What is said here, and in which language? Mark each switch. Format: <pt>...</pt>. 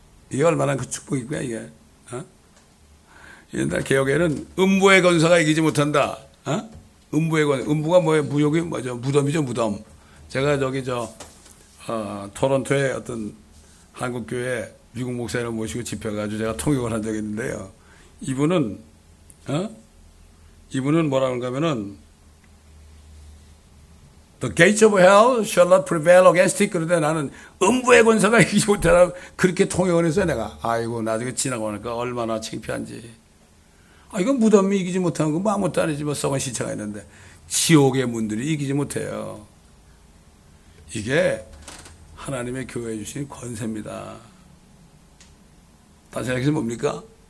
<ko>이게 얼마나 그 축복이구나, 이게. 옛날 개혁에는 음부의 권세가 이기지 못한다. 음부의 권세. 음부가 뭐예요? 무욕이 뭐죠? 무덤이죠, 무덤. 제가 저기 저, 토론토에 어떤 한국교회 미국 목사님을 모시고 집회해가지고 제가 통역을 한 적이 있는데요. 이분은 뭐라 그런가 하면은,</ko> <en>The gates of hell shall not prevail against it.</en> <ko>그런데 나는 음부의 권세가 이기지 못하라고 그렇게 통역을 했어요, 내가. 아이고, 나중에 지나고 나니까 얼마나 창피한지. 아, 이건 무덤이 이기지 못하는 거, 뭐 아무것도 아니지, 뭐 썩은 시체가 있는데. 지옥의 문들이 이기지 못해요. 이게 하나님의 교회에 주신 권세입니다. 다시 말해서 뭡니까?</ko>